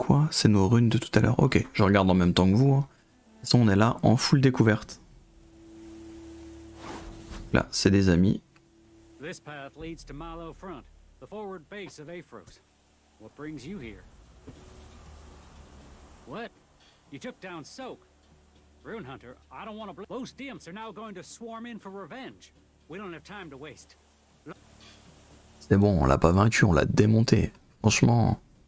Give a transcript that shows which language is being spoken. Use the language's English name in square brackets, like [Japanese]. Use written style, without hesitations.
[French] C'est nos runes de tout à l'heure. Ok, je regarde en même temps que vous. De toute façon, on est là en full découverte. Là, c'est des amis. [English] This path leads to Malo Front, the forward base of Aphros. What brings you here? What? You took down Soak. Rune Hunter, I don't want to blow. Those dimps are now going to swarm in for revenge. We don't have time to waste. [French] C'est bon, on l'a pas vaincu, on l'a démonté. Franchement.